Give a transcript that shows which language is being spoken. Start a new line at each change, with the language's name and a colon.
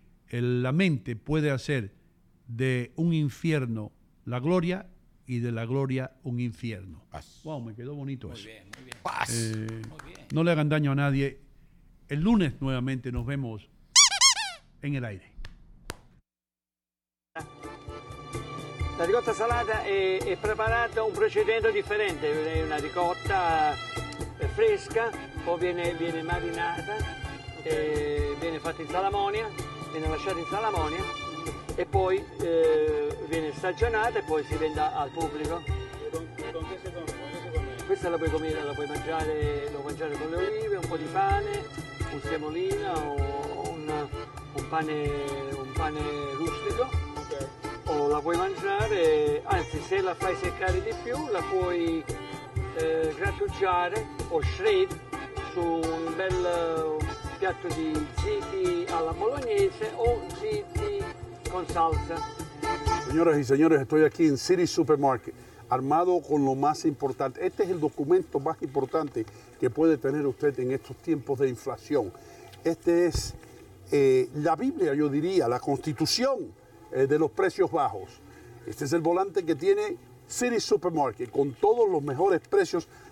Spanish: La mente puede hacer de un infierno la gloria y de la gloria un infierno. Paz. Wow, me quedó bonito muy eso. Muy bien, muy bien. Paz. Muy bien. No le hagan daño a nadie. El lunes nuevamente nos vemos en el aire.
Italian: La ricotta salata è preparata un procedimento differente. È una ricotta fresca o viene marinata, viene fatta in salamonia. Viene lasciata in salamonia e poi viene stagionata e poi si vende al pubblico. Con che secondo? Questa la puoi comere, la puoi mangiare, lo mangiare con le olive, un po' di pane, un semolina o un pane rustico. Okay. O la puoi mangiare, anzi se la fai seccare di più la puoi grattugiare o shred su un bel piatto di ziti alla bolognese o ziti con salsa. Signore e signori,
Spanish: estoy aquí en City Supermarket, armado con lo más importante. Este es el documento más importante que puede tener usted en estos tiempos de inflación. Este es la Biblia, yo diría, la constitución de los precios bajos. Este es el volante que tiene City Supermarket, con todos los mejores precios.